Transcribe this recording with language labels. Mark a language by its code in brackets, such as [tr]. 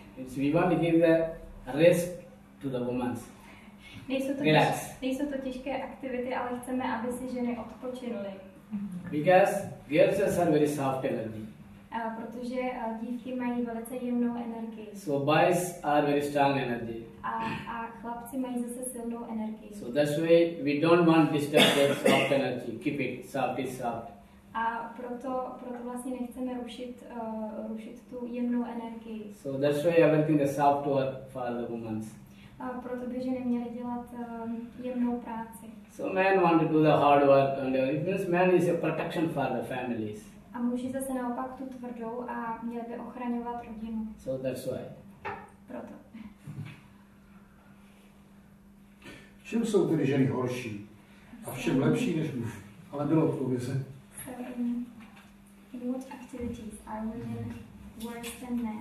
[en] It's we want to give the rest to the women. [cs] Nejsou to těžké aktivity, ale chceme, aby si ženy odpočinuly. [en] Because girls are very soft energy. [cs] Protože dívky mají velice jemnou energii. [en] So boys are very strong energy. [cs] A chlapci mají zase silnou energii. [en] So that's why we don't want to disturb their soft energy. Keep it soft, it's soft. [cs] A proto vlastně nechceme rušit tu jemnou energii. [en] So that's why everything is soft work for the women. [cs] A proto by ženy měly dělat jemnou práci. [en] So men want to do the hard work and it means man is a protection for the families. [cs] A muži zase naopak tu tvrdou a měli by ochraňovat rodinu. [en] So that's why. [cs] Proto. V čem jsou tedy ženy horší? A v čem lepší než muž? Ale bylo odpověze. [en] So in what activities are women worse than men?